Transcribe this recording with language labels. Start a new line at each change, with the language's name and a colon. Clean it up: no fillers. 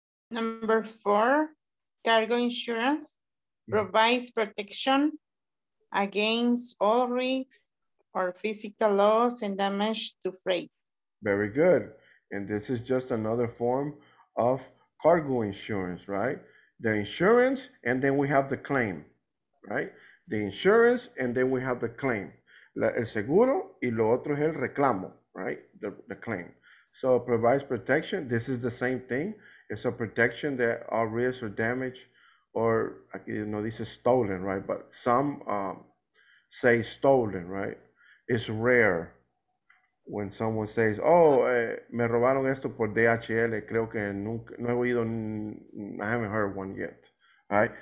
English: Number four, cargo insurance provides protection against all risks or physical loss and damage to freight. Very good. And this is just another form of cargo insurance, right? The insurance, and then we have the claim, right? The insurance, and then we have the claim.
Spanish: El seguro y lo otro es el reclamo, right?
English: The claim. So it provides protection. This is the same thing. It's a protection that all risks or damage, or, you know, this is stolen, right? But some say stolen, right? It's rare. When someone says, oh,
Spanish: me robaron esto por DHL, creo que nunca, no he oído,
English: I haven't heard one yet, all right?